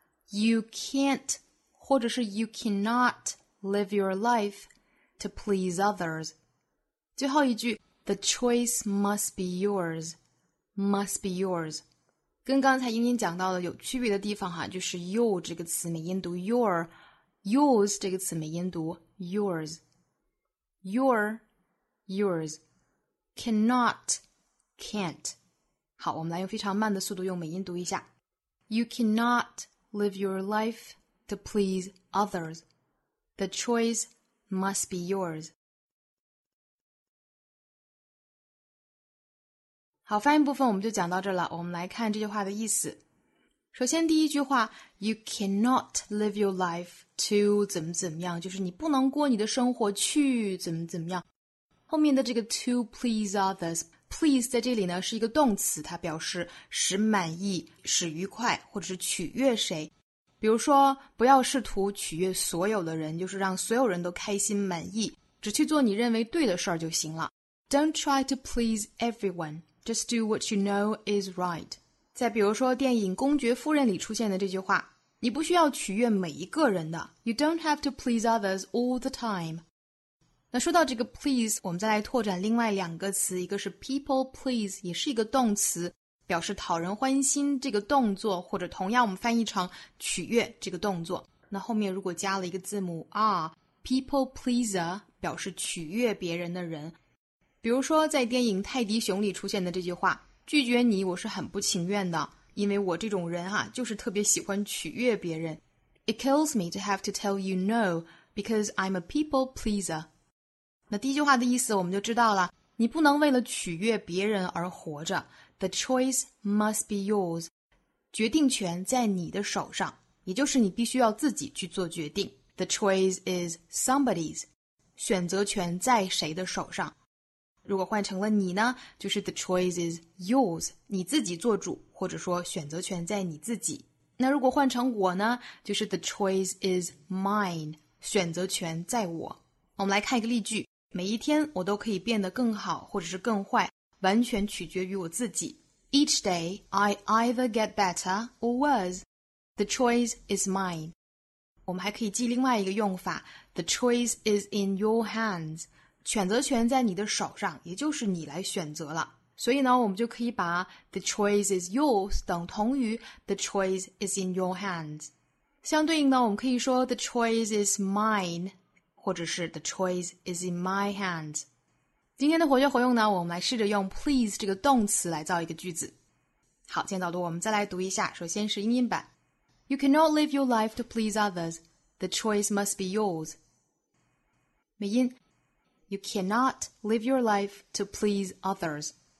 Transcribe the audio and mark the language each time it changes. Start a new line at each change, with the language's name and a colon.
English: you can't,
Chinese: 或者是
English: you cannot live your life to please others.
Chinese: 最后一句
English: the choice must be yours, must be yours.
Chinese: 跟刚才英英讲到的有区别的地方哈，就是 you 这个词美音读 your, yours 这个词美音读 yours,
English: your, yours, cannot, can't.
Chinese: 好，我们来用非常慢的速度用美音读一下。
English: You cannot live your life to please others. The choice must be yours.
Chinese: 好，发音部分我们就讲到这了。我们来看这句话的意思。首先第一句话
English: You cannot live your life to
Chinese: 怎么怎么样，就是你不能过你的生活去怎么怎么样。后面的这个
English: to please others,
Chinese: Please 在这里呢是一个动词，它表示使满意、使愉快或者是取悦谁。比如说不要试图取悦所有的人，就是让所有人都开心满意，只去做你认为对的事儿就行了。
English: Don't try to please everyone, just do what you know is right.
Chinese: 再比如说电影《公爵夫人》里出现的这句话，你不需要取悦每一个人的。
English: You don't have to please others all the time.
Chinese: 那说到这个 please, 我们再来拓展另外两个词，一个是 people please, 也是一个动词，表示讨人欢心这个动作，或者同样我们翻译成取悦这个动作。那后面如果加了一个字母 R， people pleaser 表示取悦别人的人。比如说在电影《泰迪熊》里出现的这句话，拒绝你我是很不情愿的，因为我这种人啊，就是特别喜欢取悦别人。
English: It kills me to have to tell you no because I'm a people pleaser。
Chinese: 那第一句话的意思我们就知道了，你不能为了取悦别人而活着。
English: The choice must be yours，
Chinese: 决定权在你的手上，也就是你必须要自己去做决定。
English: The choice is somebody's，
Chinese: 选择权在谁的手上。如果换成了你呢，就是
English: the choice is yours，
Chinese: 你自己做主，或者说选择权在你自己。那如果换成我呢，就是
English: the choice is mine，
Chinese: 选择权在我。我们来看一个例句，每一天我都可以变得更好或者是更坏，完全取决于我自己。
English: Each day I either get better or worse， the choice is mine。
Chinese: 我们还可以记另外一个用法，
English: the choice is in your hands，
Chinese: 选择权在你的手上，也就是你来选择了。所以呢，我们就可以把
English: the choice is yours
Chinese: 等同于
English: the choice is in your hands。
Chinese: 相对应呢，我们可以说
English: the choice is mine，
Chinese: 或者是
English: the choice is in my hands。
Chinese: 今天的活学活用呢，我们来试着用 please 这个动词来造一个句子。好，今天导读我们再来读一下，首先是英音版。
English: You cannot live your life to please others. The choice must be yours. 美音，You cannot live your life to please others.